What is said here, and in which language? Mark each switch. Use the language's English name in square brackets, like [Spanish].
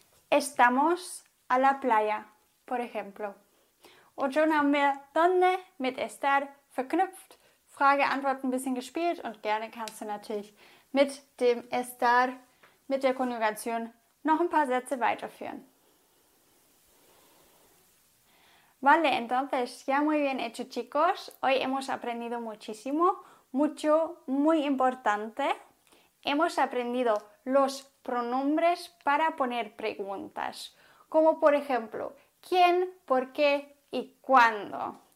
[Spanish] Estamos a la playa, por ejemplo. [German] Und schon haben wir donde mit estar verknüpft. Frage-Antwort ein bisschen gespielt und gerne kannst du natürlich mit dem estar, mit der Konjugation, noch ein paar Sätze weiterführen. [Spanish] Vale, entonces, ya muy bien hecho, chicos. Hoy hemos aprendido muchísimo, mucho, muy importante. Hemos aprendido los pronombres para poner preguntas, como por ejemplo, ¿quién, por qué y cuándo?